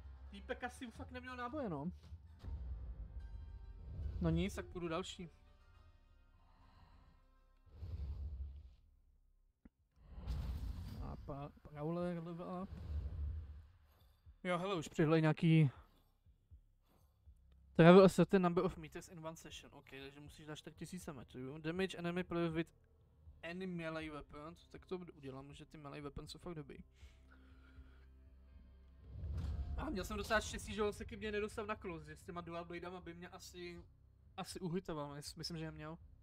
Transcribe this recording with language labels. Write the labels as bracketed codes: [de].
[cs] Týpek asi fakt neměl náboje, no. No nic, tak půjdu další. A Prowler level up. Jo, hele, už přihlej nějaký... [en] Travel a certain number of meters in one session. [cs] Ok, takže musíš dát 4000 metrů. [en] Damage enemy player with any melee weapon. [cs] Tak to udělám, že ty [en] melee weapon [cs] jsou fakt dobrý. A měl jsem docela štěstí, že on se ke mně nedostal na close, že s těma [en] dual bladama [cs] by mě asi uhytoval, myslím, že je měl.